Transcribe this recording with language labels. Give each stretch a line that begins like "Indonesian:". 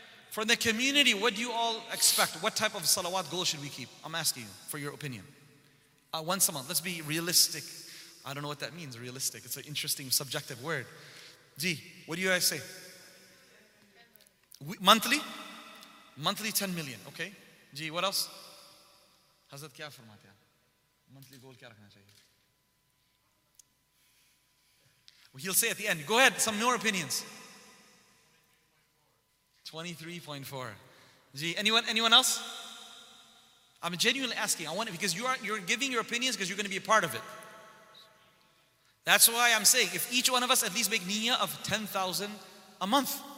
English: From the community, what do you all expect? What type of salawat goal should we keep? I'm asking you for your opinion. Once a month. Let's be realistic. I don't know what that means, realistic. It's an interesting, subjective word. G, what do you guys say? Monthly? Monthly 10 million, okay. G, what else?
Urdu: حضرت، کیا فرماتے ہیں؟
English: Monthly goal
Urdu: کیا رکھنا چاہیے؟
English: He'll say at the end. Go ahead, some more opinions. 23.4. G, anyone else? I'm genuinely asking. I want it because you're giving your opinions because you're going to be a part of it. That's why I'm saying if each one of us at least make niyyah of 10,000 a month.